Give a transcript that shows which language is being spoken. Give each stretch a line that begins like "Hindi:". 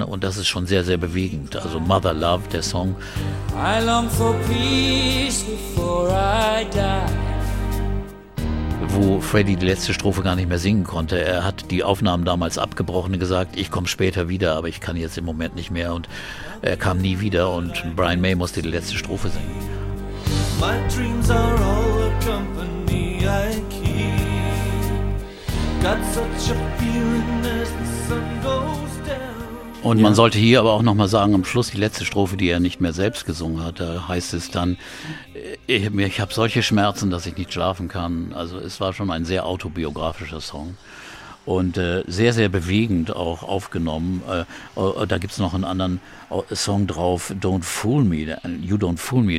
German: Und das ist schon sehr, sehr bewegend. Also Mother Love, der Song.
English: I long for peace before I die.
German: Wo Freddie die letzte Strophe gar nicht mehr singen konnte. Er hat die Aufnahmen damals abgebrochen und gesagt, ich komme später wieder, aber ich kann jetzt im Moment nicht mehr. Und er kam nie wieder und Brian May musste die letzte Strophe singen.
English: My dreams are all the company I keep. Got such a feeling as the sun goes down.
German: Und man sollte hier aber auch nochmal sagen, am Schluss die letzte Strophe, die er nicht mehr selbst gesungen hat, da heißt es dann, ich habe solche Schmerzen, dass ich nicht schlafen kann. Also es war schon ein sehr autobiografischer Song. Und sehr, sehr bewegend auch aufgenommen. Da gibt es noch einen anderen Song drauf, Don't Fool Me, You Don't Fool Me.